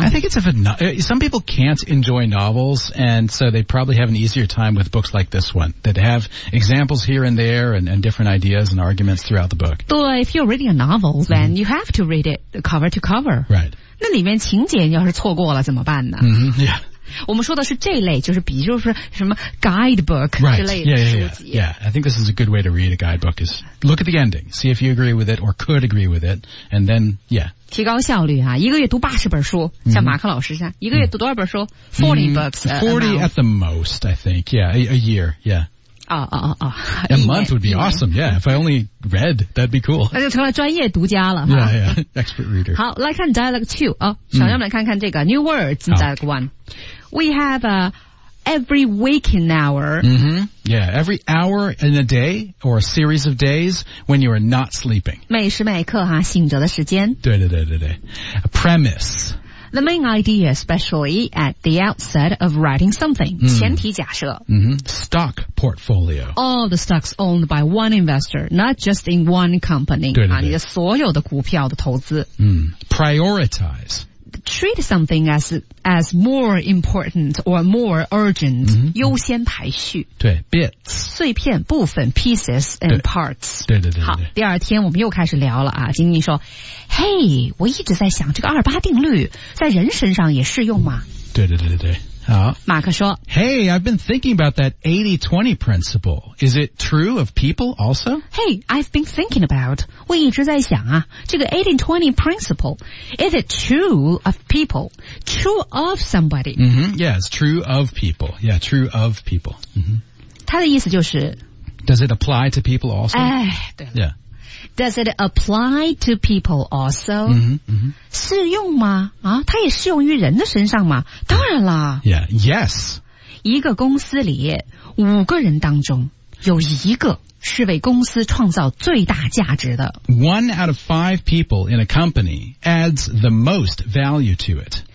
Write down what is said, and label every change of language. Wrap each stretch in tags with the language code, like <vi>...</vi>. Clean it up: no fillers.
<en>I think it's a some people can't enjoy novels, and so they probably have an easier time with books like this one that have examples here and there and different ideas and arguments throughout the book. 对 ，if you're reading a novel, then you have to read it cover to cover. Right.</en> <zh>那里面情节要是错过了怎么办呢？</zh> <en>Yeah.</en> <zh>我们说的是这类，就是比如说什么 guidebook 之类的书籍。</zh> <en>Right. Yeah. I think this is a good way to read a guidebook is look at the ending, see if you agree with it or could agree with it, and then, yeah.</en> <zh>提高效率啊，一个月读80本书，像马克老师一样，一个月读多少本书？</zh> <en>40 books. 40 at the most, I think. Yeah, a year, yeah. A month would be awesome, yeah. If I only read, that'd be cool.</en> <zh>那就成了专业读家了。</zh> <en>Yeah, expert reader.</en> <zh>好，来看 dialogue 2. 小杨们来看看这个</zh> <en>new words in dialogue 1. We have every waking hour. Yeah, every hour in a day or a series of days when you are not sleeping.</en> <zh>每时每刻哈，醒着的时间。</zh> <en>对。A premise. The main idea, especially at the outset of writing something.</en> <zh>前提假设。</zh> <en>Stock portfolio. All the stocks owned by one investor, not just in one company.</en> <zh>对。你的所有的股票的投资。</zh> <en>Prioritize. Treat something as more important or more urgent,</en> <zh>优先排序。</zh> <en>对 ,bits.</en> <zh>碎片部分</zh> <en>,pieces and parts.</en> <zh>对。好，第二天我们又开始聊了啊，经理说 ,Hey, 我一直在想这个二八定律在人身上也适用吗？对。好，马克说</zh> <en>,Hey, I've been thinking about that 80-20 principle. Is it true of people also? Hey, I've been thinking about,</en> <zh>我一直在想啊，这个</zh> <en>80-20 principle, is it true of people? True of somebody? Yeah, it's true of people. Yeah, true of people.</en> <zh>他的意思就是</zh> <en>Does it apply to people also?</en> <zh>哎，对了。</zh> <en>Yeah. Does it apply to people also?</en> <zh>适用吗？啊，它也适用于人的身上吗？当然啦。</zh> <en>Yeah, yes.</en> <zh>一个公司里五个人当中有一个是为公司创造最大价值的。</zh> <en>One out of five people in a company adds the most value to it.</en>